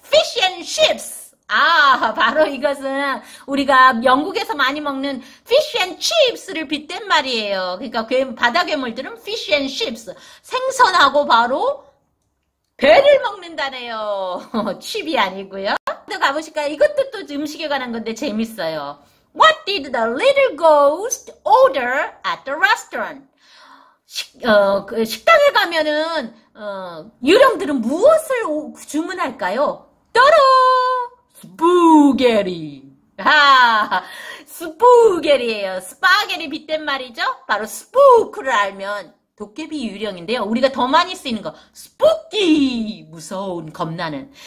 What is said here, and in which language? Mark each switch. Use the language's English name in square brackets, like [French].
[Korean] Fish and chips. 아, 바로 이것은 우리가 영국에서 많이 먹는 fish and chips를 빗댄 말이에요. 그러니까 바다 괴물들은 fish and chips. 생선하고 바로 배를 먹는다네요. 칩이 아니고요. 또 가보실까요? 이것도 또 음식에 관한 건데 재밌어요. [English] What did the little ghost order at the restaurant? [Korean] 식당에 가면은 유령들은 무엇을 주문할까요? 따로! 스푸게리. 하, 스푸게리예요. 스파게리 빗댄 말이죠? 바로 스푸크를 알면 도깨비 유령인데요. 우리가 더 많이 쓰이는 거 스푸키, 무서운 겁나는.